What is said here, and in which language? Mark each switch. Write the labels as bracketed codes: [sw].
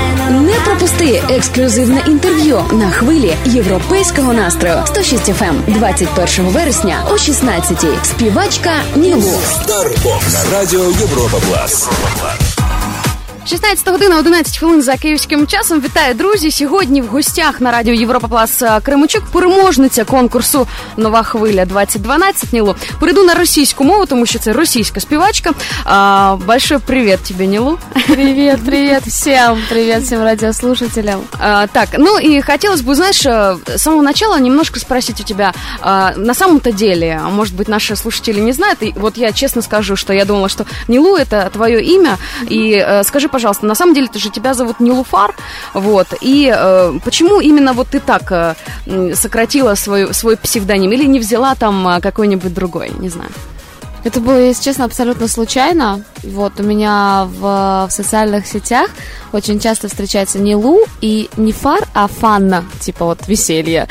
[uk] Не пропусти ексклюзивне інтерв'ю на хвилі європейського настрою 106 FM 21 вересня о 16:00. Співачка Нілу. Starbucks на радіо Європа Плас. 16 година, 11 хвилин за київським часом. Вітаю, друзі. Сьогодні в гостях на радіо Європа Плас Кременчук переможниця конкурсу «Нова хвиля 2012». Нілу, перейду на російську мову, тому що це російська співачка. [ru] Большой привіт [uk] тобі, Нілу. Привіт, привіт всім. Привіт всім радіослушателям. Так, ну і хотілося б, знаєш, з самого початку [ru] немножко спросити [uk] у тебе. [ru] На самом-то деле, может быть, наші слушатели не знають. [uk] І от я чесно скажу, що я думала, що Нілу – це твоє ім'я. [ru] І скажи, пожалуйста, на самом деле ты же тебя зовут Нилуфар, вот, и почему именно вот ты так сократила свой псевдоним или не взяла там какой-нибудь другой, не знаю. Это было, если честно, абсолютно случайно. Вот у меня в социальных сетях очень часто встречается не Лу и не Фар, а Фанна, типа вот веселье.